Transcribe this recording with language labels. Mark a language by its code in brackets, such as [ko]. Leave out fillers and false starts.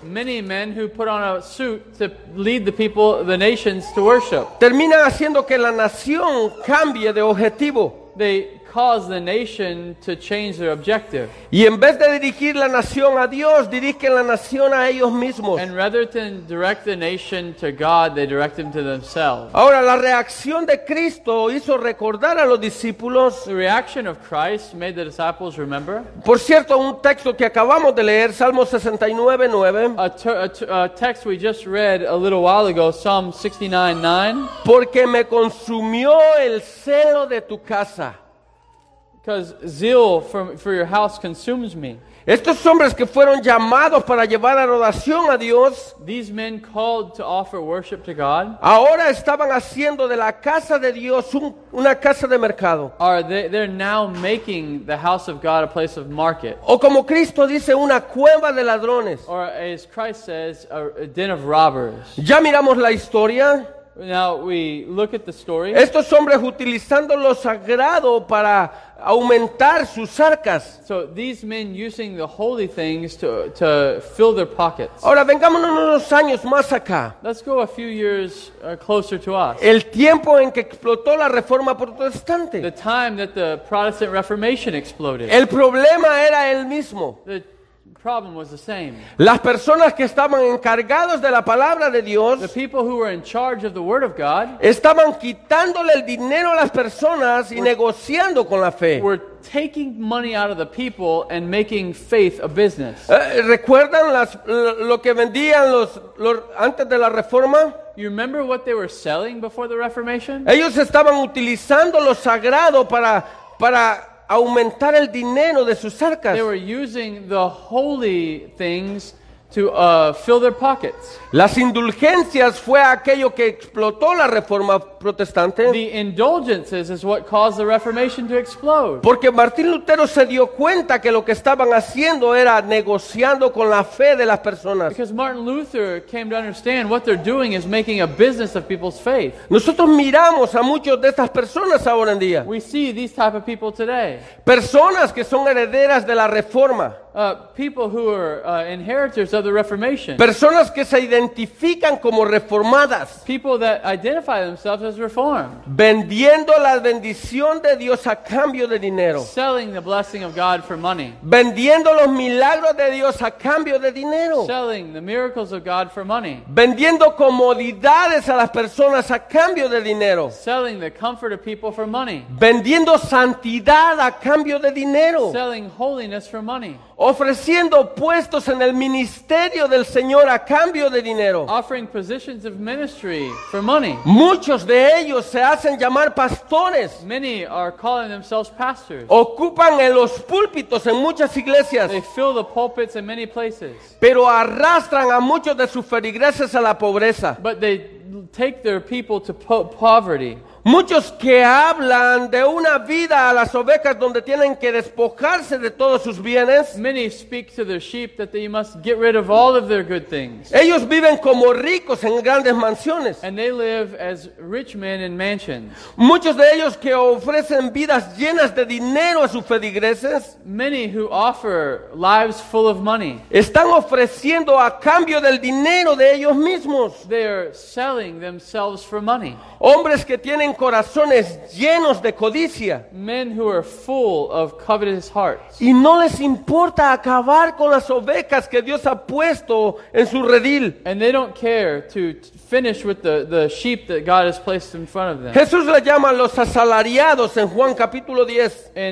[en] Many men who put on a suit to lead the people, the nations, to worship. [es] Terminan haciendo que la nación cambie de objetivo. [en] They cause the nation to change their objective. [es] Y en vez de dirigir la nación a Dios, dirigen la nación a ellos mismos. [en] And rather than direct the nation to God, they direct them to themselves. [es] Ahora, la reacción de Cristo hizo recordar a los discípulos. [en] The reaction of Christ made the disciples remember. [es] Por cierto, un texto que acabamos de leer, Salmo 69:9. [en] A text we just read a little while ago, Psalm 69:9. [es] Porque me consumió el celo de tu casa. [en] Because zeal for your house consumes me. [es] Estos hombres que fueron llamados para llevar adoración a Dios, [en] these men called to offer worship to God, [es] ahora estaban haciendo de la casa de Dios una casa de mercado. [en] They're now making the house of God a place of market. [es] O como Cristo dice, una cueva de ladrones. [en] Or as Christ says, a den of robbers. [es] Ya miramos la historia. [en] Now we look at the story. [es] Estos hombres utilizando lo sagrado para aumentar sus arcas. [en] So these men using the holy things to fill their pockets. [es] Ahora vengámonos unos años más acá. [en] Let's go a few years closer to us. [es] El tiempo en que explotó la Reforma Protestante. [en] The time that the Protestant Reformation exploded. [es] El problema era el mismo. [en] Problem was the same. [es] Las personas que estaban encargados de la palabra de Dios, [en] the people who were in charge of the word of God, [es] estaban quitándole el dinero a las personas y negociando con la fe. [en] Were taking money out of the people and making faith a business. [es] ¿Recuerdan lo que vendían los antes de la Reforma? [en] You remember what they were selling before the Reformation? [es] Ellos estaban utilizando lo sagrado para aumentar el dinero de sus arcas. [en] They were using the holy things to fill their pockets. [es] Las indulgencias fue aquello que explotó la Reforma Protestante. [en] The indulgences is what caused the Reformation to explode. [es] Porque Martín Lutero se dio cuenta que lo que estaban haciendo era negociando con la fe de las personas. [en] Because Martin Luther came to understand what they're doing is making a business of people's faith. [es] Nosotros miramos a muchos de estas personas ahora en día. [en] We see these type of people today. [es] Personas que son herederas de la Reforma. [en] People who are inheritors of the Reformation. [es] Personas que se identifican como reformadas. [en] People that identify themselves as reformed. [es] Vendiendo la bendición de Dios a cambio de dinero. [en] Selling the blessing of God for money. [es] Vendiendo los milagros de Dios a cambio de dinero. [en] Selling the miracles of God for money. [es] Vendiendo comodidades a las personas a cambio de dinero. [en] Selling the comfort of people for money. [es] Vendiendo santidad a cambio de dinero. [en] Selling holiness for money. [es] Ofreciendo puestos en el ministerio del Señor a cambio de dinero. [en] Offering positions of ministry for money. [es] Muchos de ellos se hacen llamar pastores. [en] Many are calling themselves pastors. [es] Ocupan en los púlpitos en muchas iglesias. [en] They fill the pulpits in many places. [es] Pero arrastran a muchos de sus feligreses a la pobreza. [en] But they take their people to poverty. [es] Muchos que hablan de una vida a las ovejas donde tienen que despojarse de todos sus bienes. [en] Many speak to their sheep that they must get rid of all of their good things. [es] Ellos viven como ricos en grandes mansiones. [en] And they live as rich men in mansions. [es] Muchos de ellos que ofrecen vidas llenas de dinero a sus feligreses. [en] Many who offer lives full of money. [es] Están ofreciendo a cambio del dinero de ellos mismos. [en] They are selling themselves for money. [es] Hombres que tienen corazones llenos de codicia. [en] Men who are full of covetous hearts. [es] Y no les importa acabar con las ovejas que Dios ha puesto en su redil. [en] And they don't care to finish with the sheep that God has placed in front of them. [es] Jesús le llama a los asalariados en Juan capítulo 10.